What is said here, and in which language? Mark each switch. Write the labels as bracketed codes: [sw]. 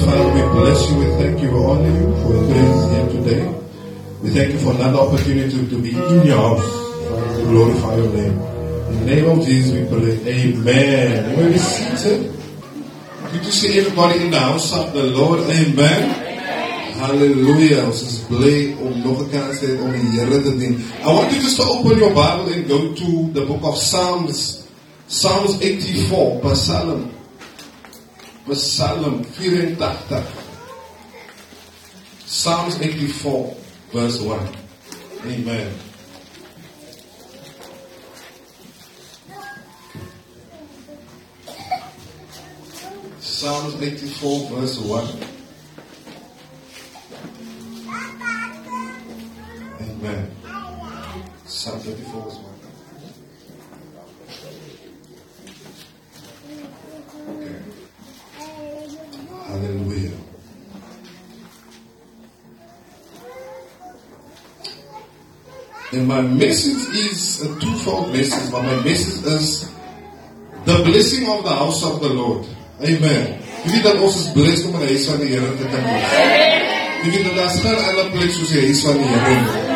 [en] Father, we bless you, we thank you, we honor you for your presence here today. We thank you for another opportunity to be in your house, Father, to glorify your name. In the name of Jesus we pray, amen. You may be seated. Good to see everybody in the house of the Lord, amen. Hallelujah. [af] Ons is bly om nog 'n kans te hê om die Here te dien. [en] I want you just to open your Bible and go to the book of Psalms. Psalms 84, Psalm. Psalm 84. Psalms 84, verse 1. Amen. Psalms 84, verse 1. Amen. Psalms 84, verse 1. Okay. Hallelujah. And my message is a twofold message, but my message is the blessing of the house of the Lord. [af] Amen. Jy weet dat ons is blessed om in die huis van die Here te kan wees. Jy weet dat daar is geen ander plek soos die huis van die Here.